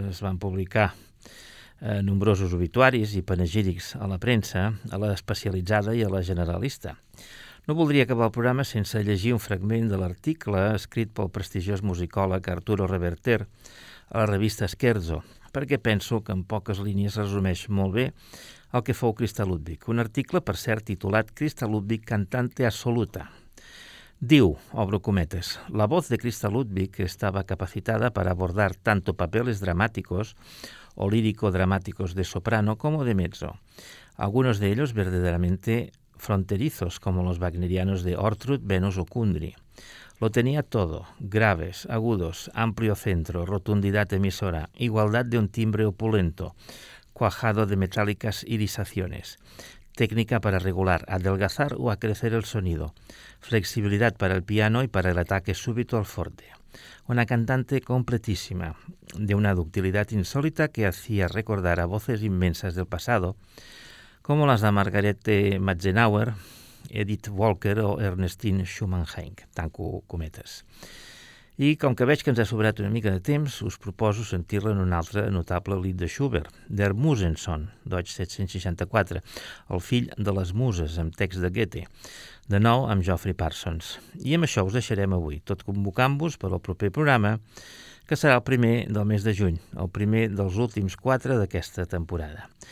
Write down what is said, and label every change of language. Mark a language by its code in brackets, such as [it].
[ca] Es van publicar nombrosos obituaris i panegírics a la premsa, a la especialitzada i a la generalista. No voldria acabar el programa sense llegir un fragment de l'article escrit pel prestigiós musicòleg Arturo Reverter a la revista Scherzo, perquè penso que en poques línies resumeix molt bé el que fou Krista Ludwig. Un article, per cert, titulat Krista Ludwig cantante assoluta. Diu, obro cometes, [es] la voz de Krista Ludwig estaba capacitada para abordar tanto papeles dramáticos o lírico-dramáticos de soprano como de mezzo, algunos de ellos verdaderamente fronterizos, como los wagnerianos de Ortrud, Venus o Kundry. Lo tenía todo, graves, agudos, amplio centro, rotundidad emisora, igualdad de un timbre opulento, cuajado de metálicas irisaciones, técnica para regular, adelgazar o acrecer el sonido, flexibilidad para el piano y para el ataque súbito al forte. Una cantante completísima, de una ductilidad insólita que hacía recordar a voces inmensas del pasado, como las de Margarete Matzenauer, Edith Walker o Ernestine Schumann-Heink, [ca] tanco cometes. I com que veig que ens ha sobrat una mica de temps, us proposo sentir-la en un altre notable lit de Schubert, Der Musensohn, Deutsch 764, el fill de les muses, amb text de Goethe, de nou amb Geoffrey Parsons. I amb això us deixarem avui, tot convocant-vos per al proper programa, que serà el primer del mes de juny, el primer dels últims quatre d'aquesta temporada.